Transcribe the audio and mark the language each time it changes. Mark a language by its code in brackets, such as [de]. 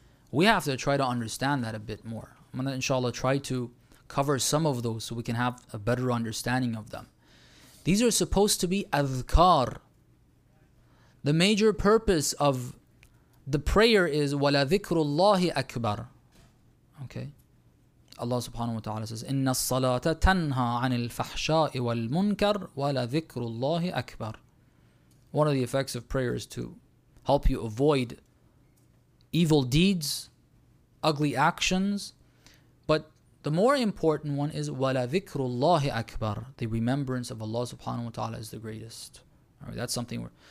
[en] We have to try to understand that a bit more. I'm going to, inshallah, try to cover some of those so we can have a better understanding of them. These are supposed to be adhkar. The major purpose of the prayer is [ar] وَلَا ذِكْرُ اللَّهِ أَكْبَرُ. [en] Okay. Allah subhanahu wa ta'ala says, [ar] إِنَّ الصَّلَاةَ تَنْهَى عَنِ الْفَحْشَاءِ وَالْمُنْكَرِ وَلَذِكْرُ اللَّهِ أَكْبَرُ. [en] One of the effects of prayer is to help you avoid evil deeds, ugly actions, but the more important one is [ar] وَلَذِكْرُ اللَّهِ أَكْبَرُ. [en] The remembrance of Allah subhanahu wa ta'ala is the greatest. All right, that's something we're...